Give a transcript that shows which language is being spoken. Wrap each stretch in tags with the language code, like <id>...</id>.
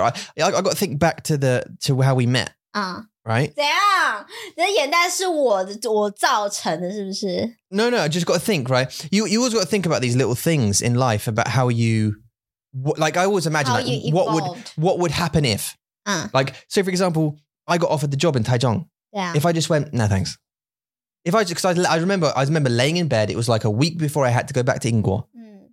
<en>I've got to think back to to how we met. Right?</en> <zh>怎样? 你的眼袋是我造成的是不是?</zh> <en>No, no, I just got to think, right? You always got to think about these little things in life about how you... Like, I always imagine, like, what would happen if? Like, so for example, I got offered the job in Taichung. Yeah. If I just went, no, thanks. If I just, because I remember laying in bed, it was like a week before I had to go back to Ingwo. Mm.</en>